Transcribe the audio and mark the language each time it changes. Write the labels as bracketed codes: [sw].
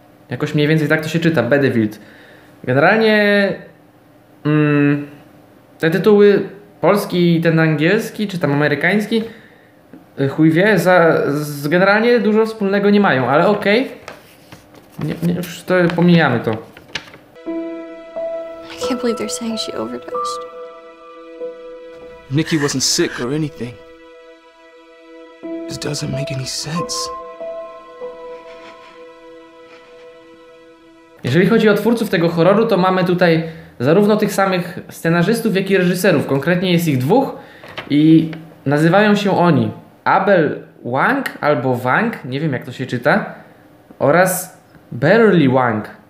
[pl] Jakoś mniej więcej tak to się czyta, Bedevilled. Generalnie te tytuły polski i ten angielski, czy tam amerykański, chuj wie, generalnie dużo wspólnego nie mają, ale okej. Nie, już to pomijamy to. [en] I can't believe they're saying she overdosed. Nikki wasn't sick or anything. This doesn't make any sense. [pl] Jeżeli chodzi o twórców tego horroru, to mamy tutaj zarówno tych samych scenarzystów, jak i reżyserów. Konkretnie jest ich dwóch i nazywają się oni Abel Wang albo Wang, nie wiem jak to się czyta, oraz Barely Wang.